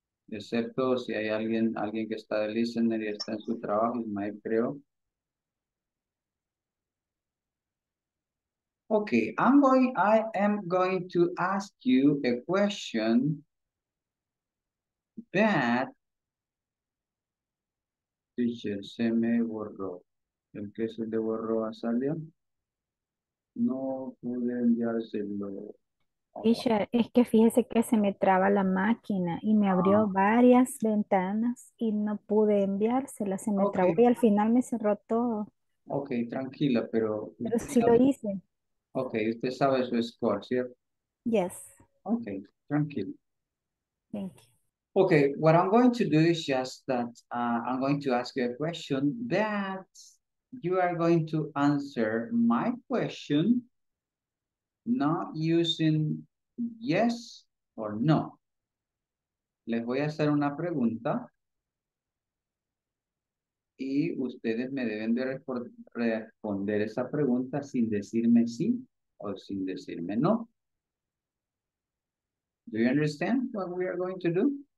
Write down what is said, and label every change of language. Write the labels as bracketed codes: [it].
[es] Excepto si hay alguien que está de listener y está en su trabajo, Ismael, creo. [en] Okay, I am going to ask you a question that teacher se me borró. [es] ¿El que se le borró a Salia? No pude enviárselo. Isha, es que fíjese que se me traba la máquina y me abrió varias ventanas y no pude enviársela, se me trabó y al final me cerró todo. Ok, tranquila, pero... Pero sí lo hice. Ok, usted sabe su score, ¿cierto? [en] Yes. [es] Ok, tranquila. [en] Thank you. Ok, what I'm going to do is just that I'm going to ask you a question that you are going to answer my question not using yes or no. [es] Les voy a hacer una pregunta y ustedes me deben de responder esa pregunta sin decirme sí o sin decirme no. [en] Do you understand what we are going to do?